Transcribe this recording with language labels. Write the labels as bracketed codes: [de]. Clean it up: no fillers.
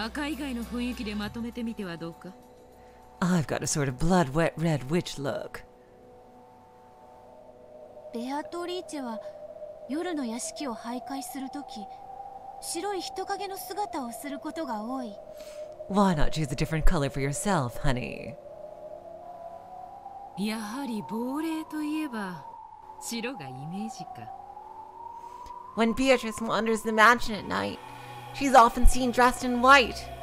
[ja] 赤以外の雰囲気でまとめてみてはどうか? [en] I've got a sort of blood wet red witch look. [ja] ベアトリーチェは夜の屋敷を徘徊するとき、白い人影の姿をすることが多い。 [en] Why not choose a different color for yourself, honey? [ja] やはり亡霊といえば白がイメージか。 [en] When Beatrice wanders the mansion at night, she's often seen dressed in white.